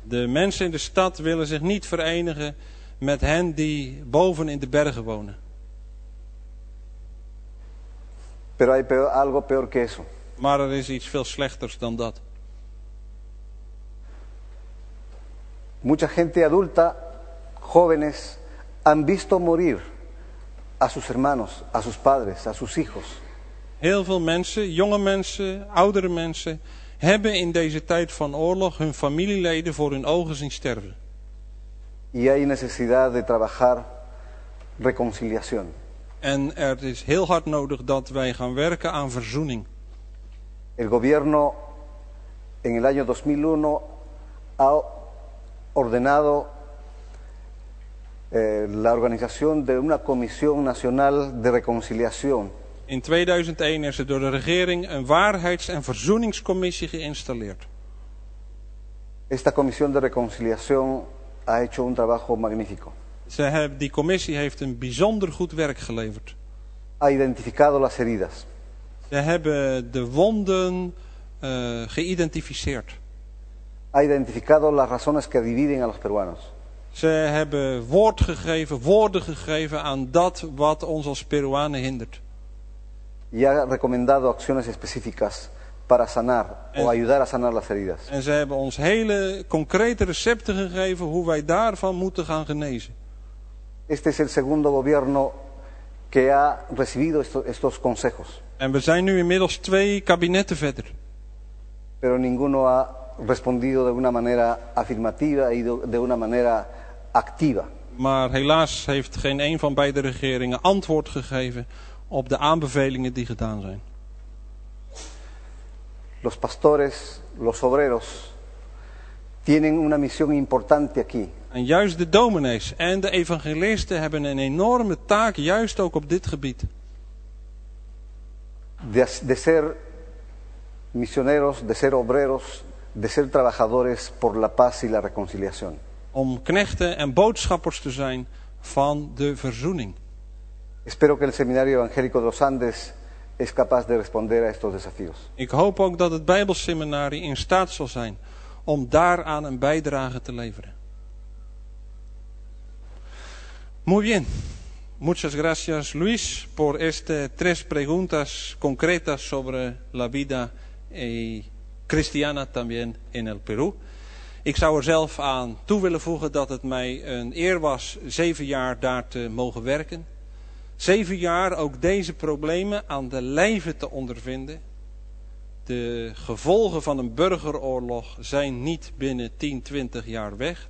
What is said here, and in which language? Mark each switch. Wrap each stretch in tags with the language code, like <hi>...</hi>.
<nl>De mensen in de stad willen zich niet verenigen met hen die boven in de bergen wonen.</nl> <es>Pero hay peor, algo peor que eso.</es> <nl>Maar er is iets veel slechters dan dat.</nl> <es>Mucha gente adulta, jóvenes, han visto morir a sus hermanos, a sus padres, a sus hijos.</es> <nl>Heel veel mensen, jonge mensen, oudere mensen, hebben in deze tijd van oorlog hun familieleden voor hun ogen zien sterven.</nl> <es>Y hay necesidad de trabajar reconciliación.</es> <nl>En er is heel hard nodig dat wij gaan werken aan verzoening.</nl> <es>El gobierno en el año 2001 ha ordenado la organización de una Comisión Nacional de Reconciliación.</es> <nl>In 2001 is er door de regering een waarheids- en verzoeningscommissie geïnstalleerd.</nl> <es>Esta Comisión de Reconciliación ha hecho un trabajo magnífico.</es> <nl>Die commissie heeft een bijzonder goed werk geleverd.</nl> <es>Ha identificado las heridas.</es> <nl>Ze hebben de wonden geïdentificeerd.</nl> <es>Ha identificado las razones que dividen a los peruanos.</es> <nl>Ze hebben woorden gegeven aan dat wat ons als Peruanen hindert.</nl> <es>Y ha recomendado acciones específicas para sanar o ayudar a sanar las heridas.</es> <nl>En ze hebben ons hele concrete recepten gegeven hoe wij daarvan moeten gaan genezen.</nl> <es>Este es el segundo gobierno que ha recibido estos consejos.</es> <nl>En we zijn nu inmiddels 2 kabinetten verder.</nl> <es>Pero ninguno ha respondido de una manera afirmativa y de una manera activa.</es> <nl>Maar helaas heeft geen een van beide regeringen antwoord gegeven op de aanbevelingen die gedaan zijn.</nl> <es>Los pastores, los obreros tienen una misión importante aquí.</es> <nl>En juist de dominees en de evangelisten hebben een enorme taak, juist ook op dit gebied.</nl> <es>De ser misioneros, de ser obreros, de ser trabajadores por la paz y la reconciliación.</es> <nl>Om knechten en boodschappers te zijn van de verzoening.</nl> <es>Espero que el Seminario Evangélico de los Andes es capaz de responder a estos desafíos.</es> <nl>Ik hoop ook dat het Bijbelseminarie in staat zal zijn om daaraan een bijdrage te leveren.</nl> <es>Muy bien. Muchas gracias, Luis, por estas 3 preguntas concretas sobre la vida cristiana también en el Perú.</es> <nl>Ik zou er zelf aan toe willen voegen dat het mij een eer was 7 jaar daar te mogen werken. 7 jaar ook deze problemen aan de lijve te ondervinden. De gevolgen van een burgeroorlog zijn niet binnen 10, 20 jaar weg.</nl>